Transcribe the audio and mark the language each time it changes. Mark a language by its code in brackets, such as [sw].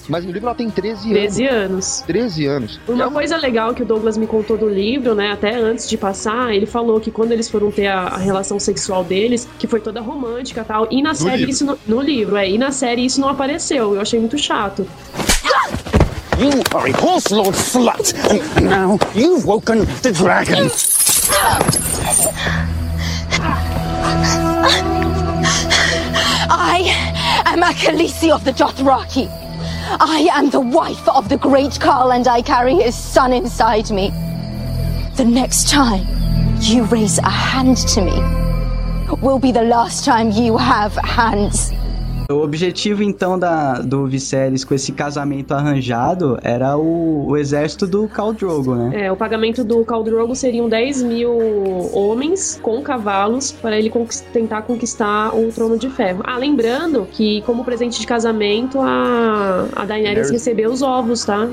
[pt] Mas no livro ela tem 13 anos. 13 anos. 13 anos. Uma coisa legal que o Douglas me contou do livro, né? Até antes de passar, ele falou que quando eles foram ter a relação sexual deles, que foi toda romântica e tal. E na série, isso no livro. E na série isso não apareceu, eu achei muito chato. [en] You are a horse lord slut, and now you've woken the dragon. I am a Khaleesi of the Dothraki. I am the wife of the great Carl, and I carry his son inside me. The next time you raise a hand to me will be the last time you have hands. [pt] O objetivo, então, do Viserys com esse casamento arranjado era o exército do Khal Drogo, né? É, o pagamento do Khal Drogo seriam 10 mil homens com cavalos para ele tentar conquistar o Trono de Ferro. Ah, lembrando que, como presente de casamento, a Daenerys recebeu os ovos, tá?